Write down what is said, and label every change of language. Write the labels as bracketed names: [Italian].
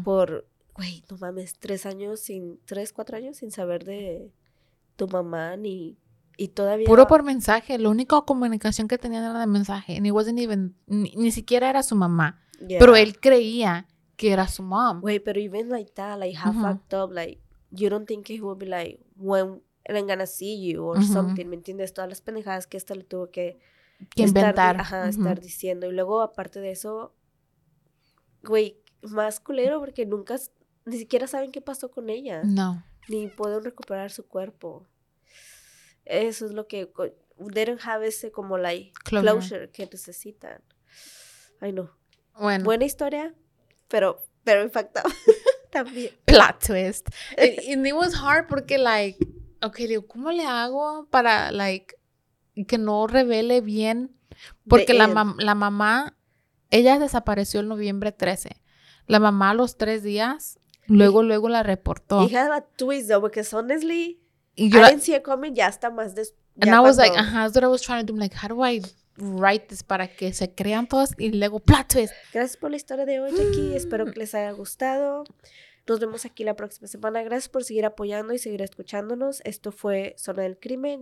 [Spanish] Por, güey, no mames, 3, 4 años sin saber de tu mamá ni. Y todavía. Puro por mensaje. La única comunicación que tenían era de mensaje. [English] And it wasn't even. [Spanish] Ni siquiera era su mamá. Yeah. Pero él creía que era su mom. Güey, pero [English] even like that, like how fucked up, like, you don't think he will be like, when. I'm gonna see you or something, [Spanish] ¿me entiendes? Todas las pendejadas que esta le tuvo que inventar. Estar diciendo. Y luego, aparte de eso, güey, más culero porque nunca, ni siquiera saben qué pasó con ella. No. Ni pueden recuperar su cuerpo. Eso es lo que, [English] they don't have [Spanish] ese como like closure que necesitan. Ay, no. Bueno. Buena historia, pero [English] very fucked up [Spanish] también. [English] Plot twist. And it was hard [Spanish] porque like, ok, digo, ¿cómo le hago para, like, que no revele bien? Porque la mamá, ella desapareció el noviembre 13. La mamá a los 3 días, luego la reportó. [English] Y had a twist, though, because honestly, I didn't see it coming, [Spanish] ya está más [English] And I was like, that's what I was trying to do. I'm like, how do I write this [Spanish] para que se crean todos? Y luego, plot twist. Gracias por la historia de hoy, Jackie. Espero que les haya gustado. Nos vemos aquí la próxima semana. Gracias por seguir apoyando y seguir escuchándonos. Esto fue Zona del Crimen.